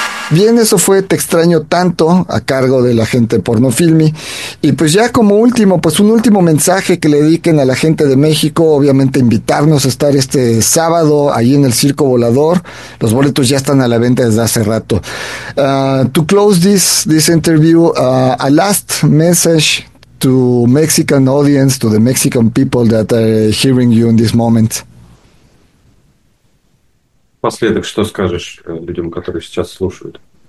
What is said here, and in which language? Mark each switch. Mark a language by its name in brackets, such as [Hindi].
[Spanish] Bien, eso fue Te Extraño Tanto, a cargo de la gente Pornofilmi. Y pues ya como último, pues un último mensaje que le dediquen a la gente de México, obviamente invitarnos a estar este sábado ahí en el Circo Volador. Los boletos ya están a la venta desde hace rato. [English] To close this interview, a last message to Mexican audience, to the Mexican people that are hearing you in this moment. [Russian] Последок, что скажешь людям, которые сейчас слушают?